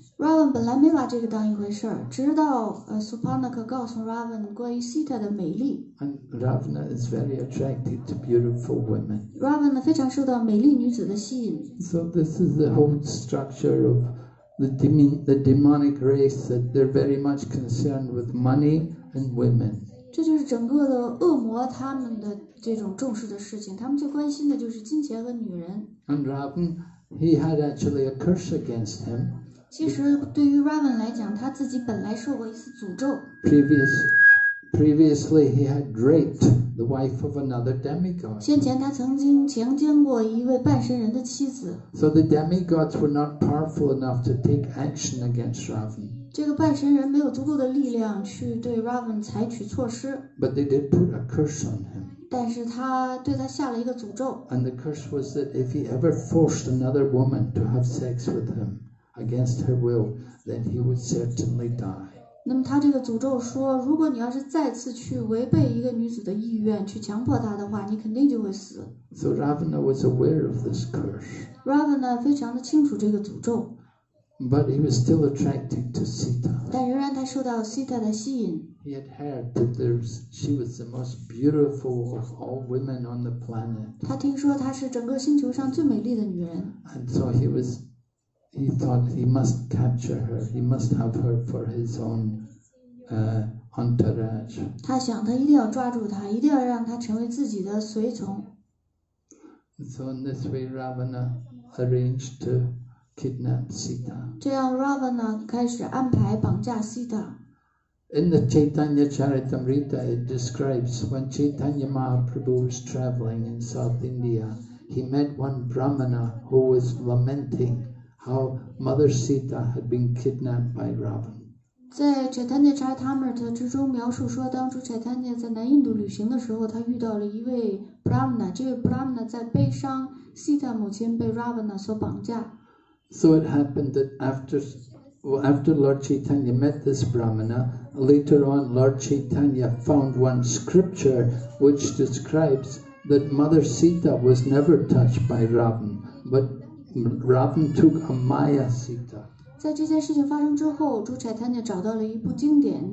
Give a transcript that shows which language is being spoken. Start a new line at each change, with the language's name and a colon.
Chinese: Ravan 本来没把这个当一回事儿，直到Supanaka 告诉 Ravan 关于 Sita 的美丽。
English: And Ravana is very attracted to beautiful women.
Chinese: Ravan 呢非常受到美丽女子的吸引。
English: So this is the whole structure of the demonic race, that they're very much concerned with money and women.
Chinese: 这就是整个的恶魔他们的这种重视的事情，他们最关心的就是金钱和女人。
English: And Ravan, he had actually a curse against him.
Chinese: 其实对于 Ravan 来讲，他自己本来受过一次诅咒。
English: Previously, he had raped the wife of another demigod.
Chinese: 先前他曾经强奸过一位半神人的妻子。
English: So the demigods were not powerful enough to take action against Ravan.
Chinese: 这个半神人没有足够的力量去对 Ravan 采取措施。
English: But they did put a curse on him.
Chinese: 但是他对他下了一个诅咒。
English: And the curse was that if he ever forced another woman to have sex with him. Against her will, then he would certainly die.
Chinese: 那么他这个诅咒说，如果你要是再次去违背一个女子的意愿，去强迫她的话，你肯定就会死。
English: So Ravana was aware of this curse.
Chinese: Ravana 非常的清楚这个诅咒。
English: But he was still attracted to Sita.
Chinese: 但仍然他受到 Sita 的吸引。
English: He had heard that she was the most beautiful of all women on the planet.
Chinese: 他听说她是整个星球上最美丽的女人。
English: And so he was. He thought he must capture her. He must have her for his own entourage.
Chinese: 他想他一定要抓住她，一定要让她成为自己的随从。
English: So in this way, Ravana arranged to kidnap Sita.
Chinese: 这样 Ravana 开始安排绑架 Sita.
English: In the Chaitanya Charitamrita, it describes when Chaitanya Mahaprabhu was traveling in South India, he met one Brahmana who was lamenting. How Mother Sita had been kidnapped by Ravan.
Chinese: 在 Chaitanya Charitamrita 之中描述说，当初 Chaitanya 在南印度旅行的时候，他遇到了一位 Brahmana。这位 Brahmana 在悲伤 Sita 母亲被 Ravana 所绑架。
English: So it happened that after Lord Chaitanya met this Brahmana, later on Lord Chaitanya found one scripture which describes that Mother Sita was never touched by Ravan, but Ravan took a Maya Sita.
Chinese: 在这件事情发生之后，朱柴坦尼找到了一部经典。